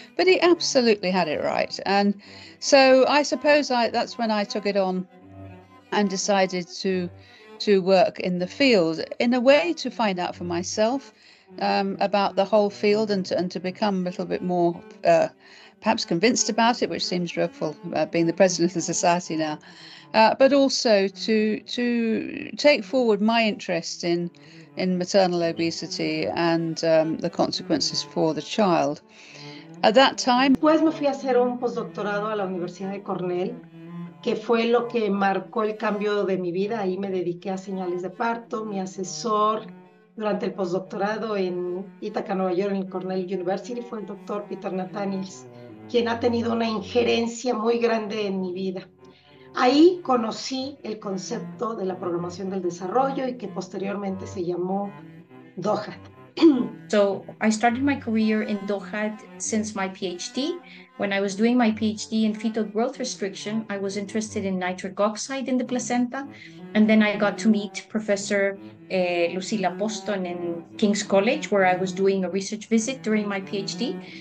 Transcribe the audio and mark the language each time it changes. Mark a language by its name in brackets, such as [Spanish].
[English] But he absolutely had it right. And so I suppose that's when I took it on and decided to work in the field, in a way to find out for myself about the whole field and to become a little bit more perhaps convinced about it, which seems dreadful, being the president of the society now, but also to take forward my interest in maternal obesity and the consequences for the child. At that time, [Spanish] pues me fui a hacer un postdoctorado a la Universidad de Cornell, que fue lo que marcó el cambio de mi vida. Ahí me dediqué a señales de parto. Mi asesor durante el postdoctorado en Ithaca, Nueva York, en el Cornell University, fue el doctor Peter Nathaniels, quien ha tenido una injerencia muy grande en mi vida. Ahí conocí el concepto de la programación del desarrollo y que posteriormente se llamó DOHAD. [English] So I started my career in DOHAD since my PhD. When I was doing my PhD in fetal growth restriction, I was interested in nitric oxide in the placenta. And then I got to meet Professor Lucila Poston in King's College, where I was doing a research visit during my PhD.